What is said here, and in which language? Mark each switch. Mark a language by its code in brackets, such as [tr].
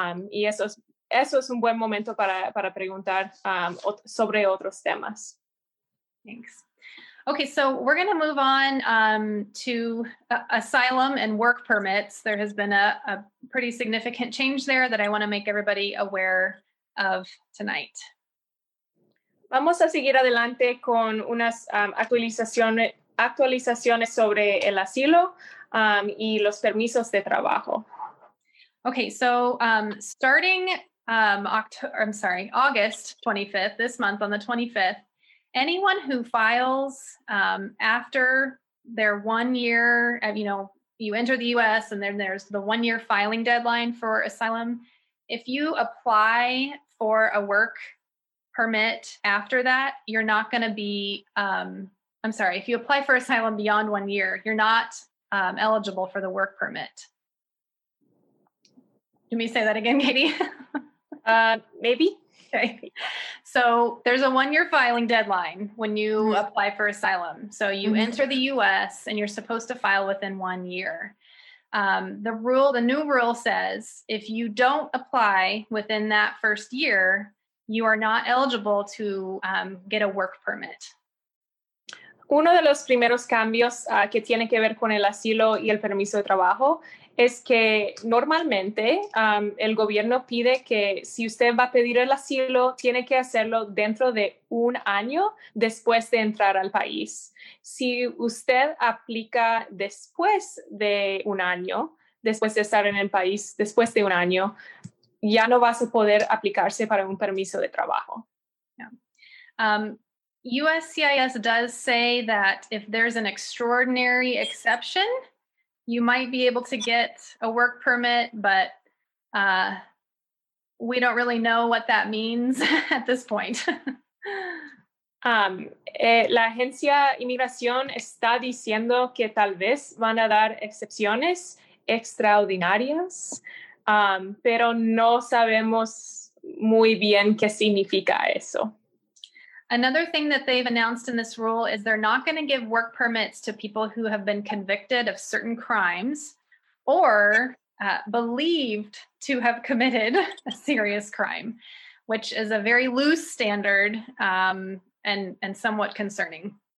[es] Y eso es un buen momento para preguntar sobre otros temas. [en] Thanks. Okay, so we're going to move on to asylum and work permits. There has been a pretty significant change there that I want to make everybody aware of tonight. [es] Vamos a seguir adelante con unas actualizaciones sobre el asilo y los permisos de trabajo. [en] Okay, so starting August 25th, this month on the 25th, anyone who files after their 1 year, you know, you enter the U.S. and then there's the 1 year filing deadline for asylum. If you apply for a work permit after that, you're not going to be, if you apply for asylum beyond 1 year, you're not eligible for the work permit. Let me say that again, Katie. maybe. Okay, so there's a one-year filing deadline when you apply for asylum. So you mm-hmm. enter the U.S. and you're supposed to file within 1 year. The new rule says if you don't apply within that first year, you are not eligible to get a work permit. [es] Uno de los primeros cambios que tiene que ver con el asilo y el permiso de trabajo es que normalmente el gobierno pide que si usted va a pedir el asilo, tiene que hacerlo dentro de un año después de entrar al país. Si usted aplica después de un año, después de estar en el país, después de un año, ya no vas a poder aplicarse para un permiso de trabajo. [en] Yeah. USCIS does say that if there's an extraordinary exception, you might be able to get a work permit, but we don't really know what that means at this point. [es] La agencia inmigración está diciendo que tal vez van a dar excepciones extraordinarias, pero no sabemos muy bien qué significa eso. [en] Another thing that they've announced in this rule is they're not going to give work permits to people who have been convicted of certain crimes or believed to have committed a serious crime, which is a very loose standard and somewhat concerning.